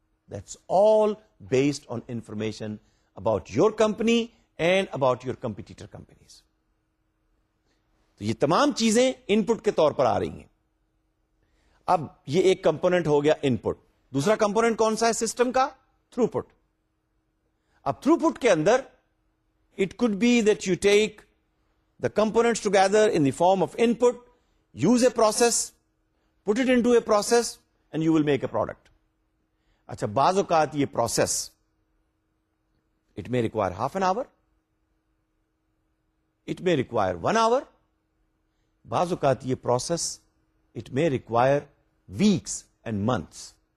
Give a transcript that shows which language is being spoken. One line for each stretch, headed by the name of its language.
English: That's all based on information about your company and about your competitor companies.
Urdu: یہ تمام چیزیں ان پٹ کے طور پر آ رہی ہیں. اب یہ ایک کمپوننٹ ہو گیا ان پٹ. دوسرا کمپوننٹ کون سا ہے سسٹم کا؟
English: Throughput.
Urdu: اب تھرو پٹ کے اندر
English: It could be that you take the components together in the form of input, use a process, put it into a process and you will make a product.
Urdu: اچھا بعض اوقات یہ process
English: it may require half an hour, it may require one hour,
Urdu: بعض اوقات یہ process
English: It may require weeks and months.